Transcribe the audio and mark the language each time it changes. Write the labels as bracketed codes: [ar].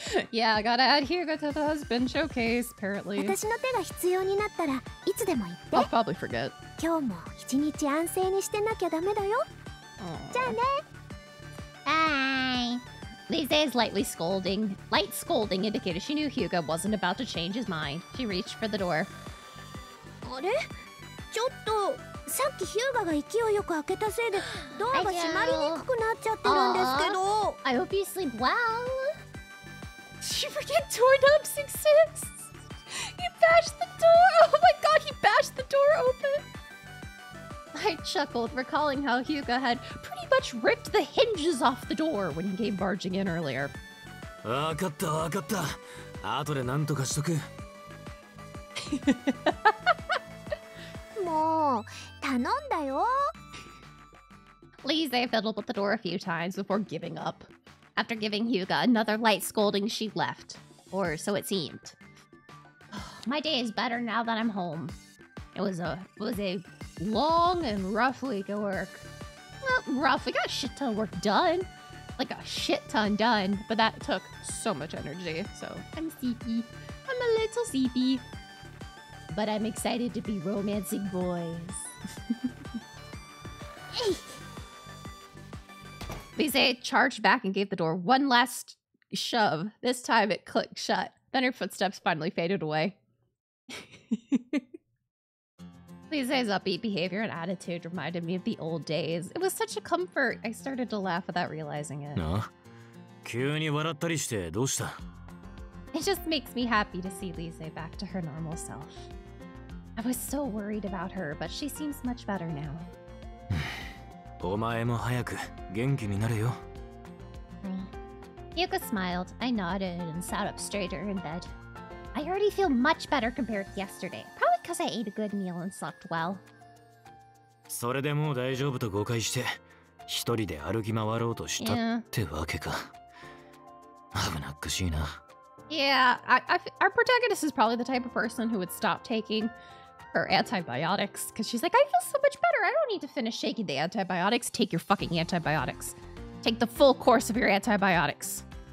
[en] Yeah, gotta add Hyuga to the husband showcase, apparently. [ja] 私の手が必要になったらいつでも言って。 [en] I'll probably forget. [ja] 今日も一日安静にしてなきゃダメだよ。じゃあね。 [en] Bye. Lise is lightly scolding. Light scolding indicated she knew Hyuga wasn't about to change his mind. She reached for the door. [ja] あれ、ちょっと。さっきヒューガが勢いよく開けたせいでドアが閉まりにくくなっちゃってるんですけど。 [en] I hope you sleep well. She freaking tore up 66. He bashed the door. Oh my god, he bashed the door open. I chuckled, recalling how Hyuga had pretty much ripped the hinges off the door when he came barging in earlier. [ja] わかったわかった、後でなんとかしとく。もう頼んだよ。 [en] Lise fiddled with the door a few times before giving up. After giving Hyuga another light scolding, she left. Or so it seemed. My day is better now that I'm home. It was a long and rough week at work. Well, rough. We got a shit ton of work done. Like a shit ton done. But that took so much energy. So I'm sleepy. I'm a little sleepy. But I'm excited to be romancing boys. Lise charged back and gave the door one last shove. This time it clicked shut. Then her footsteps finally faded away. Lise's upbeat behavior and attitude reminded me of the old days. It was such a comfort. I started to laugh without realizing it. Ah? [ja] 急に笑ったりしてどうした? [en] It just makes me happy to see Lise back to her normal self. I was so worried about her, but she seems much better now. [ja] お前も早く元気になれよ。 [en] Hyuga smiled. I nodded and sat up straighter in bed. I already feel much better compared to yesterday. Probably because I ate a good meal and slept well. [ja] それでもう大丈夫と誤解して、一人で歩き回ろうとしたってわけか。危なっかしいな。 [en] Yeah, our protagonist is probably the type of person who would stop taking... her antibiotics, because she's like, I feel so much better. I don't need to finish taking the antibiotics. Take your fucking antibiotics. Take the full course of your antibiotics.